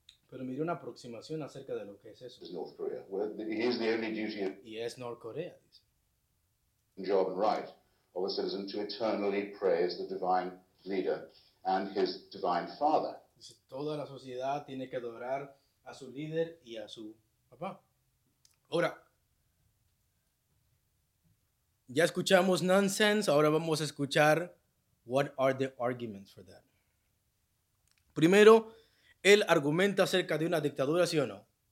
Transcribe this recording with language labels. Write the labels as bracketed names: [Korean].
[Spanish] Pero miré una aproximación acerca de lo que es eso. [English] Is North Korea, where he is the only duty. [Spanish] Y es North Korea, dice. [English] Job and right of a citizen to eternally praise the divine leader and his divine father. [Spanish] Dice, toda la sociedad tiene que adorar a su líder y a su papá. Ahora, ya escuchamos nonsense, ahora vamos a escuchar [English] what are the arguments for that. [Spanish] Primero, él argumenta acerca de una dictadura, ¿sí o no?